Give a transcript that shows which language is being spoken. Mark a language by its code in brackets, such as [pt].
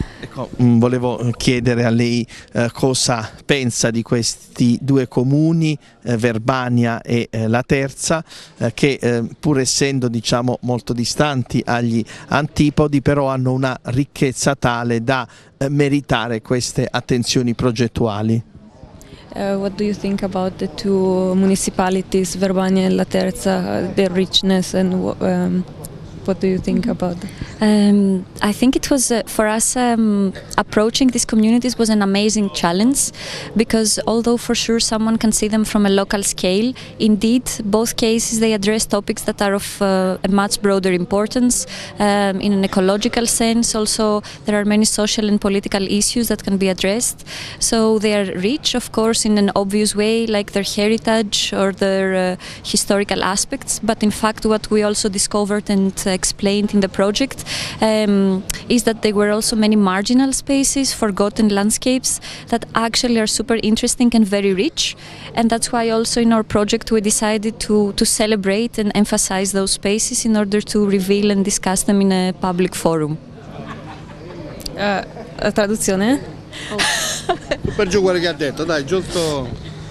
[it] Ecco, volevo chiedere a lei cosa pensa di questi due comuni, Verbania e La Terza, che pur essendo diciamo molto distanti agli antipodi, però hanno una ricchezza tale da meritare queste attenzioni progettuali. [en] What do you think about the two municipalities, Verbania and La Terza, their richness and what do you think about? I think it was for us approaching these communities was an amazing challenge, because although for sure someone can see them from a local scale, indeed both cases they address topics that are of a much broader importance in an ecological sense. Also there are many social and political issues that can be addressed. So they are rich, of course, in an obvious way, like their heritage or their historical aspects. But in fact, what we also discovered and explained in the project is that there were also many marginal spaces, forgotten landscapes that actually are super interesting and very rich, and that's why also in our project we decided to celebrate and emphasize those spaces in order to reveal and discuss them in a public forum. [it] La traduzione? Oh. Per giù quello che ha detto, dai, giusto.